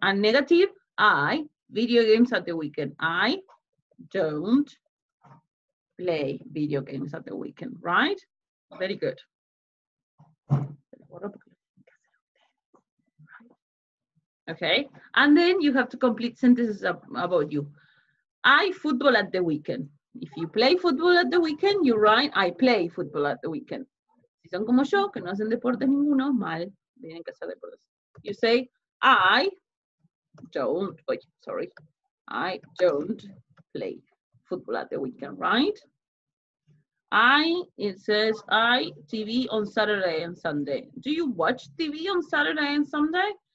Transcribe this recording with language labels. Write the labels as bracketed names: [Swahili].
[English] And negative, I video games at the weekend. I don't play video games at the weekend, right? Very good. Okay. And then you have to complete sentences about you. I football at the weekend. If you play football at the weekend, you write, I play football at the weekend. [Spanish] Si son como yo, que no hacen deporte ninguno, mal, tienen que hacer deportes. [English] You say, I don't play football at the weekend, right? It says TV on Saturday and Sunday. Do you watch TV on Saturday and Sunday?